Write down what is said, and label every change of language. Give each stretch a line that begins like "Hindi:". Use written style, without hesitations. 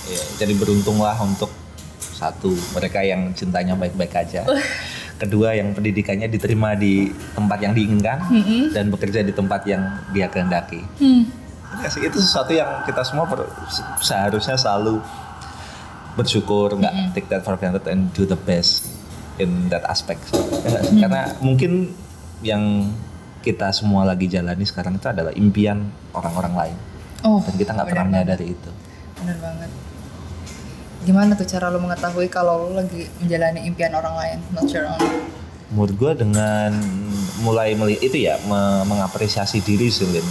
Indonesian: Ya, jadi beruntung lah untuk satu, mereka yang cintanya baik-baik aja. Kedua, yang pendidikannya diterima di tempat yang diinginkan. Dan bekerja di tempat yang dia kehendaki. Itu sesuatu yang kita semua seharusnya selalu bersyukur. Gak
English: take that for granted and do the best in that aspect.
Indonesian: Karena mungkin yang kita semua lagi jalani sekarang itu adalah impian orang-orang lain. Dan kita gak pernah menyadari itu. Benar banget. Gimana tuh cara lo mengetahui kalau lo lagi menjalani impian orang lain,
English: not your own?
Indonesian: Menurut gue dengan mulai melihat itu ya, mengapresiasi diri sih, Lin.